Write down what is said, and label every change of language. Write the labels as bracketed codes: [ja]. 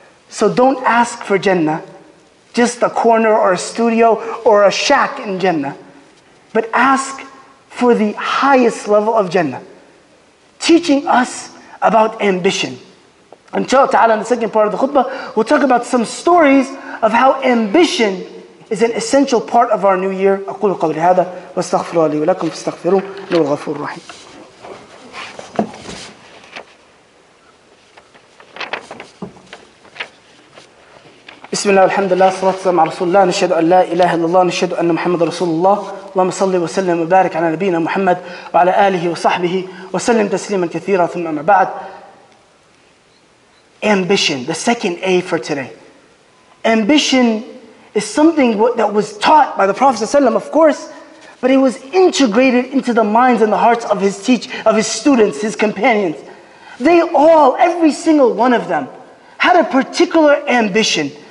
[en] So don't ask for Jannah, just a corner or a studio or a shack in Jannah. But ask for the highest level of Jannah. Teaching us about ambition. Inshallah ta'ala, in the second part of the khutbah, we'll talk about some stories of how ambition is an essential part of our new year. [ar] أقول قولي هذا واستغفر لي ولكم فاستغفروا إنه الغفور الرحيم. بسم الله والحمد لله والصلاة والسلام على رسول الله نشهد أن لا إله إلا الله نشهد أن محمد رسول الله اللهم صل وسلم وبارك على نبينا محمد وعلى آله وصحبه وسلم تسليما كثيرا ثم أما بعد. [en] Ambition, the second A for today. Ambition is something that was taught by the Prophet ﷺ, of course, but it was integrated into the minds and the hearts of his students, his companions. They all, every single one of them, had a particular ambition.